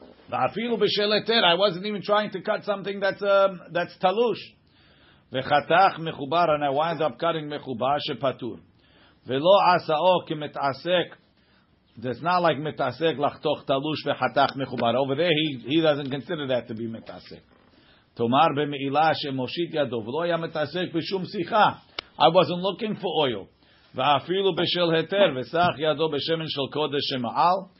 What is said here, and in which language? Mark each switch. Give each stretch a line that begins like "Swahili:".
Hebrew: ואפילו בשל היתר,
English: I wasn't even trying to cut something that's תלוש.
Hebrew: וחתך מחובר,
English: and I wind up cutting
Hebrew: מחובר שפטור. ולא עשאו כמתעסק,
English: it's not like
Hebrew: מתעסק לחתוך תלוש וחתך מחובר.
English: Over there, he doesn't consider that to be מתעסק.
Hebrew: תאמר במעילה שמושיט ידו, ולא היה מתעסק בשום שיחה.
English: I wasn't looking for oil.
Hebrew: ואפילו בשל היתר, וסך ידו בשמן של קודש שמעל.